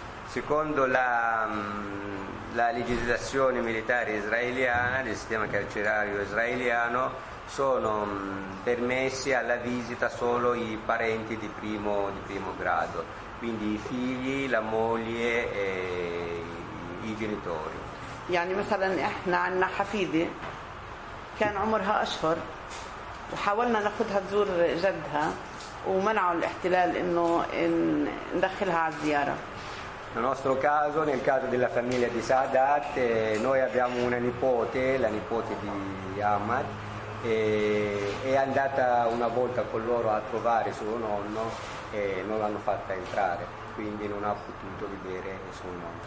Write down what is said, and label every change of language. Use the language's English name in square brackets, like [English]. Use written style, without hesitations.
[Italian] Secondo la legislazione militare israeliana, del sistema carcerario israeliano, sono permessi alla visita solo i parenti di primo grado, quindi i figli, la moglie e i genitori. [Arabic] يعني مثلا احنا عندنا حفيدة كان عمرها أشهر وحاولنا ناخذها تزور جدها ومنعوا الاحتلال انه ندخلها على الزياره. [Italian] Nel nostro caso, nel caso della famiglia di Sadat, noi abbiamo una nipote, la nipote di Ahmad, e è andata una volta con loro a trovare suo nonno e non l'hanno fatta entrare, quindi non ha potuto vedere suo nonno.